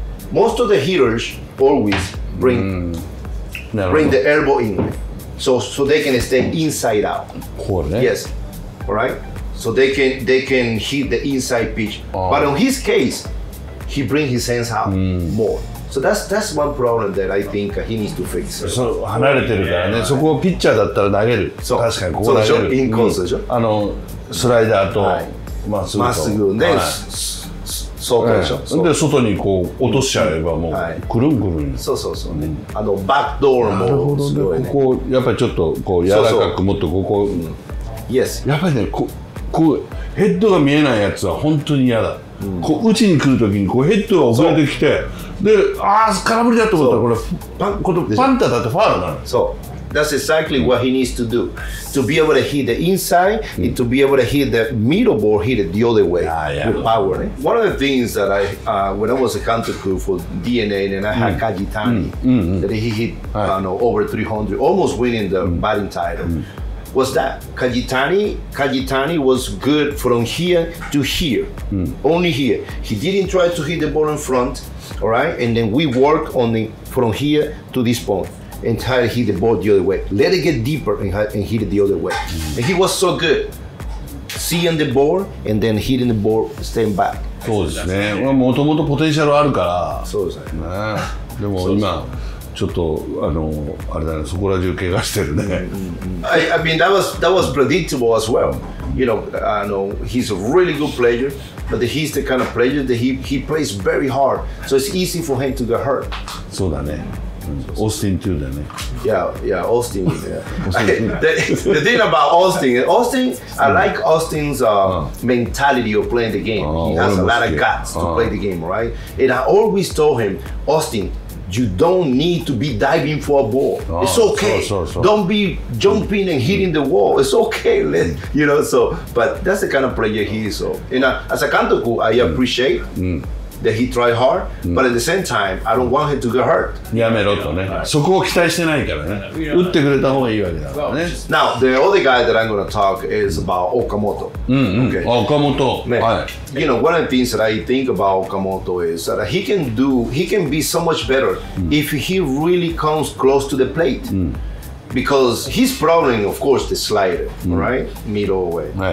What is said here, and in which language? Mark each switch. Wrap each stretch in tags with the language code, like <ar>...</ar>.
<en>Most of the hitters always bring the elbow in. So they can stay inside out.</en> <ja>これね?</ja> <en>Yes. All right. So they can hit the inside pitch. Oh. But in his case, he brings his hands out more. So that's one problem that I think he needs to fix.</en> <ja>So 離れてるからね。そこをピッチャーだったら投げる。そう。確かにここ投げる。インコースでしょ。あのスライダーとまっすぐと。まっすぐね。そうでしょ。で外にこう落としちゃえばもうくるんくるん。そうそうそう。あのバックドールもすごいね。ここやっぱりちょっとこう柔らかくもっとここ。</ja> <en>Yes。</en> <ja>やっぱりねこうヘッドが見えないやつは本当に嫌だ。こう打ちに来るときにこうヘッドが遅れてきてで、ああ空振りだと思ったらこれパンタだとファウルになる。</ja> <en>そう、That's exactly what he needs to do. To be able to hit the inside and to be able to hit the middle ball, hit it the other way with power. One of the things that I, when I was a hunter crew for DeNA and I had Kajitani, that he hit over 300, almost winning the batting title, was that Kajitani was good from here to here, only here. He didn't try to hit the ball in front, all right? And then we work on the from here to this point and try to hit the ball the other way. Let it get deeper and hit it the other way. And he was so good seeing the ball and then hitting the ball, staying back.</en> <ja>そうですね。まあ、もともとポテンシャルあるから。そうですね。ね。でも今。ちょっとあのあれだね、そこら中怪我してるね。</ja> <en>I mean that was predictable as well. You know, he's a really good player, but he's the kind of player that he plays very hard. So it's easy for him to get hurt.</en> <ja>そうだね。オースティンとだね。</ja> <en>Yeah, Austin. The thing about Austin, I like Austin's mentality of playing the game. He has a lot of guts to play the game, right? And I always told him, Austin. You don't need to be diving for a ball. It's okay. So. Don't be jumping and hitting the wall. It's okay. Let, you know, so, but that's the kind of player he is. So, and as a kantoku, I appreciate that he tried hard. But at the same time, I don't want him to get hurt.</en> <ja>やめろとね。そこを期待してないからね。打ってくれた方がいいわけだからね。</ja> <en>Now, the other guy that I'm going to talk is about Okamoto. Okamoto. You know, one of the things that I think about Okamoto is that he can be so much better if he really comes close to the plate. Because his problem, of course, the slider, right? Middle way.</en>